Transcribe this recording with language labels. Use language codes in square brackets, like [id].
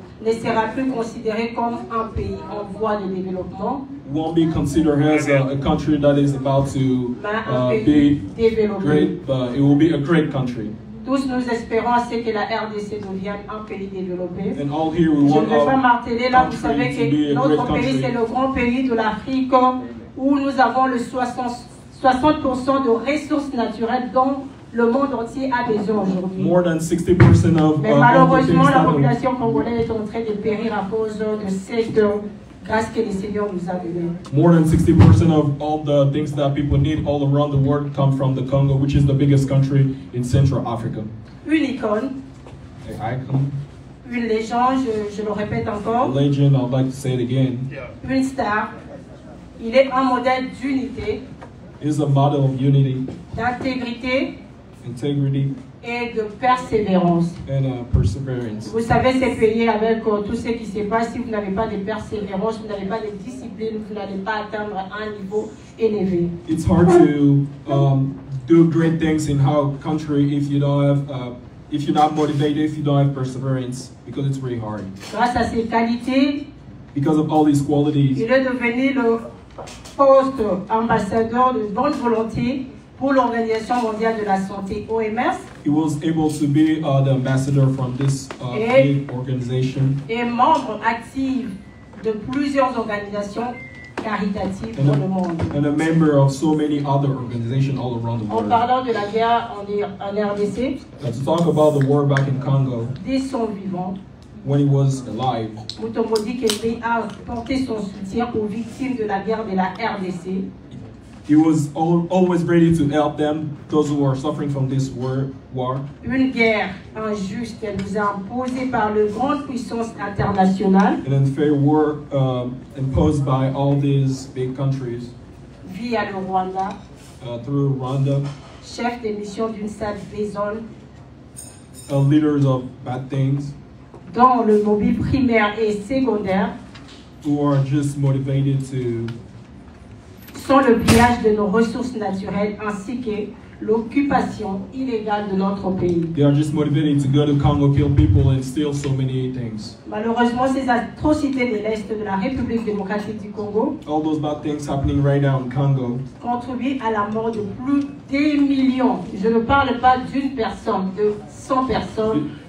[fr] Ne sera plus considéré comme un pays en voie de développement. [en] Won't be considered as a country that is about to be [fr] développé. [en] Great, but it will be a great country. [fr] Tous nous espérons c'est que la RDC devienne un pays développé. [en] And all here we want [fr] Je ne vais pas marteler là, vous savez que notre pays c'est le grand pays de l'Afrique où nous avons le 60% de ressources naturelles dont le monde entier a besoin aujourd'hui. [en] More than 60% of, [fr] mais malheureusement, la population congolaise est en train de périr à cause de cette grâce que le Seigneur nous a donnée. [en] More than 60% of all the things that people need all around the world come from the Congo, which is the biggest country in Central Africa. [fr] Une icône. [en] An icon. [fr] Une légende, je le répète encore. [en] A legend, I'd like to say it again. [fr] Yeah. Une star. Il est un modèle d'unité. [en] Is a model of unity. [fr] D'intégrité. [en] Integrity [fr] et de persévérance. [en] And perseverance. [fr] Vous savez, c'est payé avec tout ce qui se passe. Si vous n'avez pas de persévérance, vous n'avez pas de discipline, vous n'allez pas atteindre un niveau élevé. [en] It's hard to do great things in our country if you don't have if you're not motivated, if you don't have perseverance, because it's really hard. [fr] Grâce à ses qualités, [en] because of all these qualities, [fr] il est devenu le poste ambassadeur de bonne volonté pour l'Organisation mondiale de la santé, OMS. [en] He was able to be the ambassador from this organization. [fr] Et membre actif de plusieurs organisations caritatives dans le monde. [en] And a member of so many other organizations all around the world. [fr] En parlant de la guerre en RDC. [en] To talk about the war back in Congo. [fr] Dès son vivant. [en] When he was alive. [fr] Mutombo dit qu'il a porté son soutien aux victimes de la guerre de la RDC. [en] He was always ready to help them, those who are suffering from this war. [fr] Une guerre injuste qu'elle nous a imposée par les grandes puissances internationales. [en] An unfair war imposed by all these big countries. [fr] Via le Rwanda. [en] Through Rwanda. [fr] Chef des missions d'une salle Bézol. [en] Leaders of bad things. [fr] Dans le lobby primaire et secondaire. [en] Who are just motivated to... [fr] sans le pillage de nos ressources naturelles ainsi que l'occupation illégale de notre pays. [en] They are just motivated to go to Congo, kill people and steal so many things. [fr] Malheureusement, ces atrocités de l'Est de la République démocratique du Congo, [en] all those bad things happening right now in Congo, [fr] contribuent à la mort de plus des millions. Je ne parle pas d'une personne, de 100 personnes.